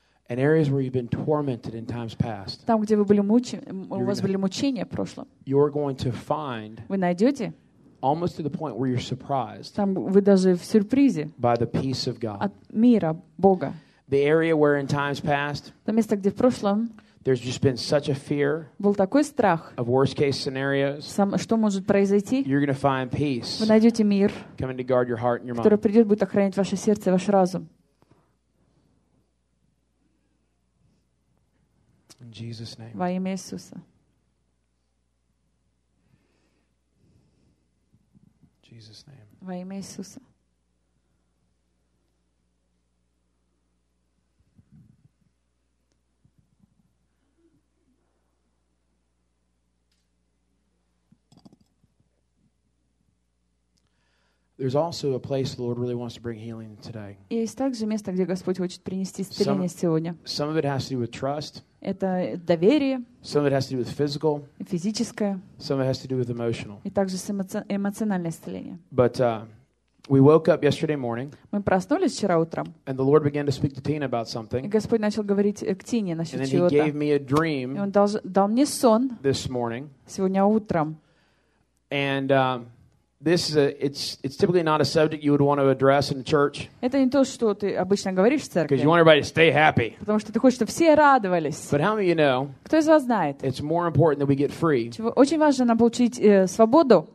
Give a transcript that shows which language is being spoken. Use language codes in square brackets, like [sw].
[en] In areas where you've been tormented in times past. [ru] Там, где вы были у вас были мучения в прошлом. [en] You're going to find. [ru] Вы найдете. [en] Almost to the point where you're surprised. [ru] Там вы даже в сюрпризе. [en] By the peace of God. [ru] От мира Бога. [en] The area where in times past. [ru] То место, где в прошлом. [en] There's just been such a fear. [ru] Был такой страх. [en] Of worst case scenarios. [ru] Сам что может произойти? [en] You're going to find peace. [ru] Вы найдете мир. [en] Coming to guard your heart and your mind. [ru] Который придет будет охранять ваше сердце, ваш разум. [en] In Jesus' name. [ru] Во имя Иисуса. [en] Jesus' name. [ru] Во имя Иисуса. [en] There's also a place the Lord really wants to bring healing today. [ru] Есть также место, где Господь хочет принести исцеление сегодня. [en] Some of it has to do with trust. [ru] Это доверие. [en] Some of it has to do with physical. [ru] Физическое. [en] Some of it has to do with emotional. [ru] И также с эмоциональное исцеление. [en] But we woke up yesterday morning. [ru] Мы проснулись вчера утром. [en] And the Lord began to speak to Tina about something. [ru] И Господь начал говорить к Тине насчет чего-то. [en] And then He gave me a dream. [ru] И Он дал мне сон. [en] This morning. [ru] Сегодня утром. [en] And it's typically not a subject you would want to address in the church. [ru] Это не то, что ты обычно говоришь в церкви. [en] Because you want everybody to stay happy. [ru] Потому что ты хочешь, чтобы все радовались. [en] But how many of you know? [ru] Кто из вас знает? [en] It's more important that we get free. [ru] Очень важно нам получить свободу.